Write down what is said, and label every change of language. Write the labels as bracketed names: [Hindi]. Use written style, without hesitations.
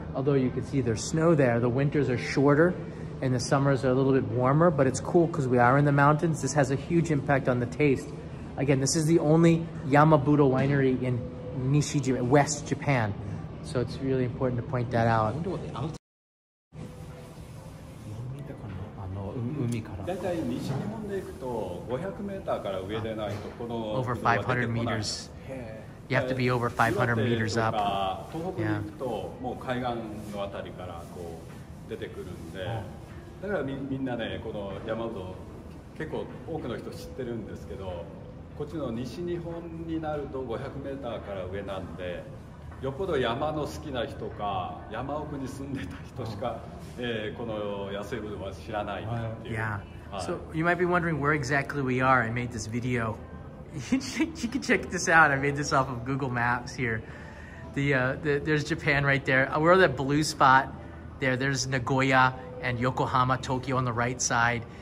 [English] Although you can see there's snow there. The winters are shorter and the summers are a little bit warmer, but it's cool because we are in the mountains. This has a huge impact on the taste. Again, this is the only Yamabudo winery in Nishijima, West Japan. So it's really important to point that out. [Japanese] 海から。だいたい西日本で行くと500メーターから上でないとこの。 [English] Over 500 meters. You have to be over 500 meters up. [Japanese] 東北に行くともう海岸のあたりからこう出てくるんで、だからみんなねこの山ほど結構多くの人知ってるんですけど、こっちの西日本になると500メーターから上なんで。よっぽど山の好きな人か山奥に住んでた人しか、この野生ブドウは知らないっていう。 [English] Yeah. So you might be wondering where exactly we are. I made this video. You can check this out. I made this off of Google Maps here. There's Japan right there. We're on that blue spot there. There's Nagoya and Yokohama, Tokyo on the right side.